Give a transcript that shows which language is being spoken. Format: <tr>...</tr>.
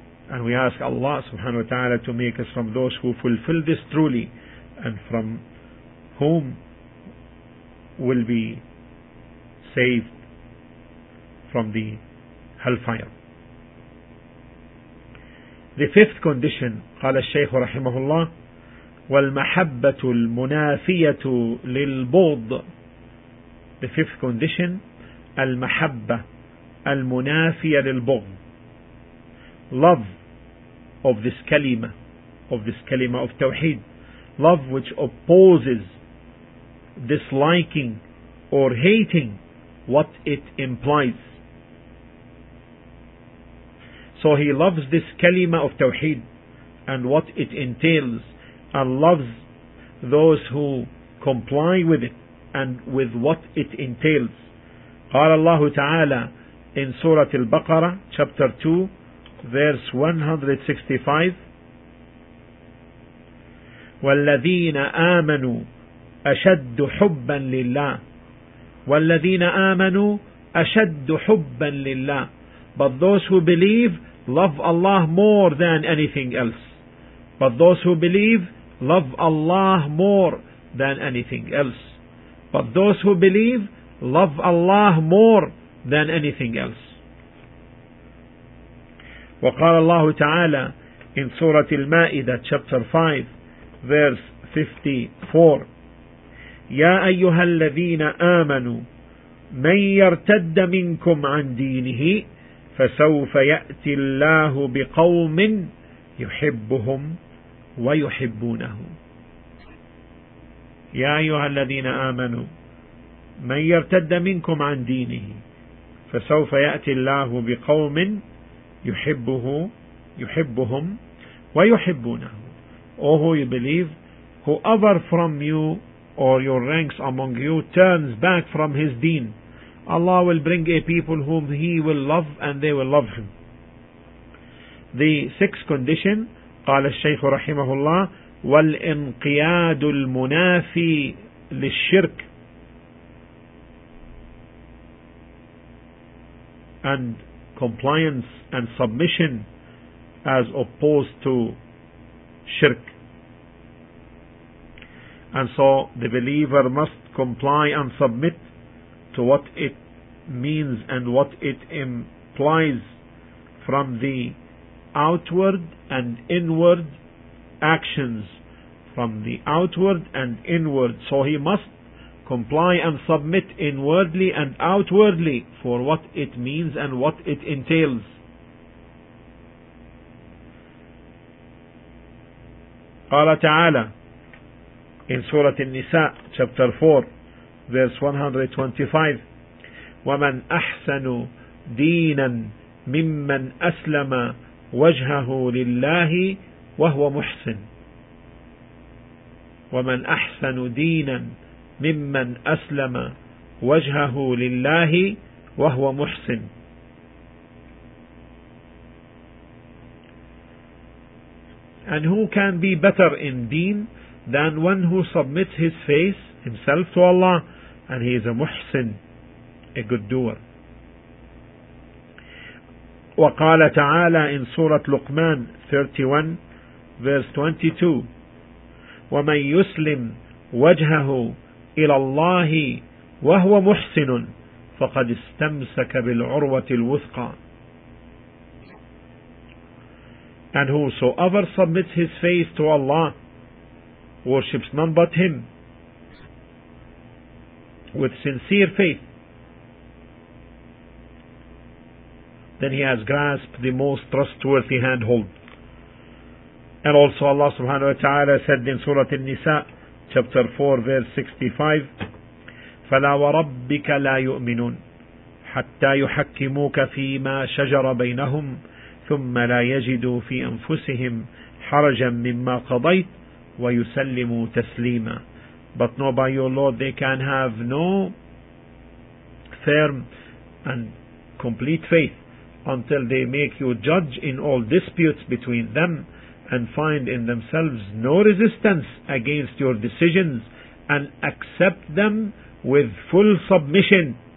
<en>And we ask Allah subhanahu wa ta'ala to make us from those who fulfill this truly, and from whom will be saved from the hellfire. The fifth condition,</en> <ar>قال الشيخ رحمه الله, والمحبة المنافية للبغض.</ar> <en>The fifth condition,</en> <ar>المحبة المنافية للبغض.</ar> <en>Love of this kalima, of this kalima of tawheed, love which opposes disliking or hating what it implies. So he loves this kalima of tawheed and what it entails, and loves those who comply with it and with what it entails.</en> <ar>قال الله تعالى</ar> <en>in Surah Al-Baqarah chapter 2 verse 165,</en> <ar>والذين آمنوا أشد حبا لله, والذين آمنوا أشد حبا لله.</ar> <en>But those who believe love Allah more than anything else. But those who believe love Allah more than anything else. But those who believe love Allah more than anything else.</en> <ar>وقال الله تعالى in سورة المائدة</ar> <en>chapter 5 verse 54,</en> <ar>يا أيها الذين آمنوا من يرتد منكم عن دينه فسوف يأتي الله بقوم يحبهم ويحبونه. يا أيها الذين آمنوا من يرتد منكم عن دينه فسوف يأتي الله بقوم يُحِبُّهُ يُحِبُّهُمْ وَيُحِبُّونَهُ.</ar> <en>O who you believe, whoever from you or your ranks among you turns back from his deen, Allah will bring a people whom he will love and they will love him. The sixth condition,</en> <ar>قال الشيخ رحمه الله, وَالْإِنْقِيَادُ الْمُنَافِي لِلشِّرْكِ.</ar> <en>And compliance and submission as opposed to shirk. And so the believer must comply and submit to what it means and what it implies from the outward and inward actions, from the outward and inward. So he must comply and submit inwardly and outwardly for what it means and what it entails.</en> <ar>قال تعالى</ar> <en>in Surah An-Nisa chapter 4 verse 125</en> <ar>وَمَنْ أَحْسَنُ دِينًا مِمَّنْ أَسْلَمَ وَجْهَهُ لِلَّهِ وَهُوَ مُحْسِنٌ وَمَنْ أَحْسَنُ دِينًا مِمَّنْ أَسْلَمَ وَجْهَهُ لِلَّهِ وَهُوَ مُحْسِنٌ.</ar> <en>And who can be better in deen than one who submits his face, himself, to Allah, and he is a muhsin, a good doer.</en> <ar>وَقَالَ تَعَالَى</ar> <en>in Surah Luqman 31 verse 22</en> <ar>وَمَنْ يُسْلِمْ وَجْهَهُ إِلَى اللَّهِ وَهُوَ مُحْسِنٌ فَقَدْ اسْتَمْسَكَ بِالْعُرْوَةِ الْوُثْقَى.</ar> <en>And whosoever submits his face to Allah, worships none but Him, with sincere faith, then he has grasped the most trustworthy handhold. And also Allah subhanahu wa ta'ala said in Surah An-Nisa, chapter 4, verse 65,</en> <ar>فَلَا وَرَبِّكَ لَا يُؤْمِنُونَ حَتَّى يُحَكِّمُوكَ فِي مَا شَجَرَ بَيْنَهُمْ ثُمَّ لَا يَجِدُوا فِي أَنفُسِهِمْ حَرَجًا مِّمَّا قَضَيْتْ وَيُسَلِّمُوا تَسْلِيمًا.</ar> <en>But no, by your Lord, they can have no firm and complete faith until they make you judge in all disputes between them and find in themselves no resistance against your decisions and accept them with full submission.</en>